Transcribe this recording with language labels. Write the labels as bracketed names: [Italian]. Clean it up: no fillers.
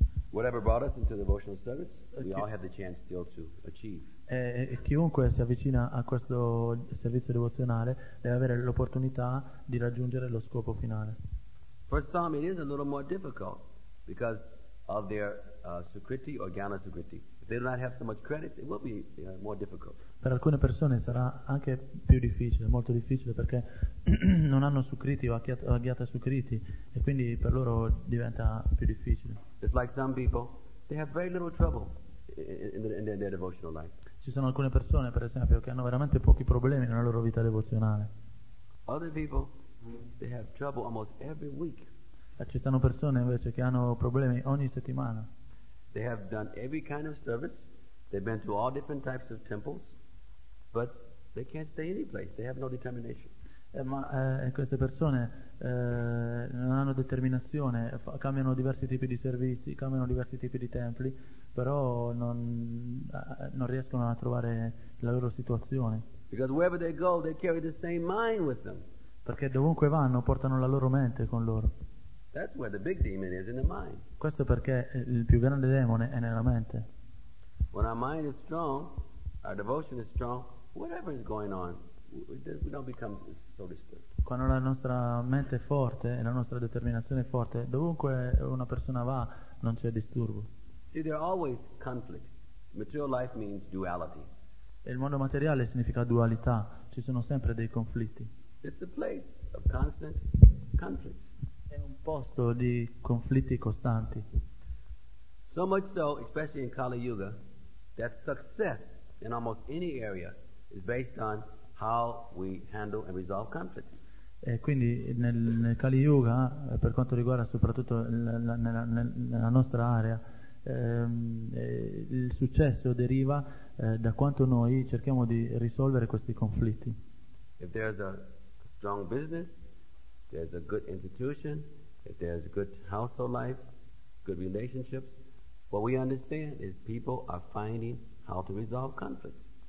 [English] Whatever brought us into devotional service, we all have the chance still to achieve. [Italian] Chiunque si avvicina a questo servizio devozionale deve avere l'opportunità di raggiungere lo scopo finale. [English] For some, it is a little more difficult because of their sukriti or jnana sukriti. They do not have so much credit, it will be more difficult. [Italian] Per alcune persone sarà anche più difficile, molto difficile, perché non hanno sukriti o agghiata sukriti, e quindi per loro diventa più difficile. [English] It's like some people, they have very little trouble in their devotional life. [Italian] Ci sono alcune persone, per esempio, che hanno veramente pochi problemi nella loro vita devozionale. [English] Other people, they have trouble almost every week. [Italian] E ci sono persone invece che hanno problemi ogni settimana. [English] They have done every kind of service. They've been to all different types of temples, but they can't stay any place. They have no determination. [Italian] Queste persone non hanno determinazione. Cambiano diversi tipi di servizi, cambiano diversi tipi di templi, però non riescono a trovare la loro situazione. [English] Because wherever they go, they carry the same mind with them. [Italian] Perché dovunque vanno portano la loro mente con loro. [English] That's where the big demon is, in the mind. [Italian] Questo perché il più grande demone è nella mente. [English] When our mind is strong, our devotion is strong, whatever is going on, we don't become so disturbed. [Italian] Quando la nostra mente è forte e la nostra determinazione è forte, dovunque una persona va, non c'è disturbo. [English] See, there are always conflicts. Material life means duality. [Italian] E il mondo materiale significa dualità. Ci sono sempre dei conflitti. [English] It's a place of constant conflict. [Italian] È un posto di conflitti costanti. [English] So much so, especially in Kali Yuga, that success in almost any area is based on how we handle and resolve conflicts. [Italian] E quindi nel Kali Yuga, per quanto riguarda soprattutto nella nostra area, il successo deriva da quanto noi cerchiamo di risolvere questi conflitti. [English] If there's a strong business, there's a good institution, if there's a good household life, good relationships, what we understand is people are finding how to resolve conflicts.